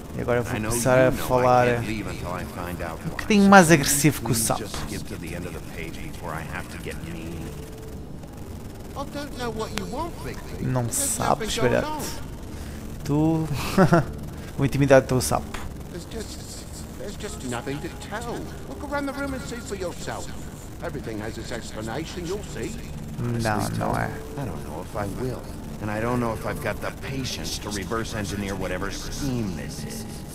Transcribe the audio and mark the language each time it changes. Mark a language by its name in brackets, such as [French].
[Portuguese] E agora eu vou começar a falar um bocadinho mais agressivo que o sapo. [English] Just skip to the end of the page before I have to get mean. I don't know what you want, Bigby. [Portuguese] Não sabes, velhote. Tu vou intimidar o teu sapo. [English] There's just nothing to tell. Look around the room and see for yourself. Everything has its explanation, you'll see. [Portuguese] Não é. [English] I don't know if I will. And I don't know if I've got the patience to reverse engineer whatever scheme this is.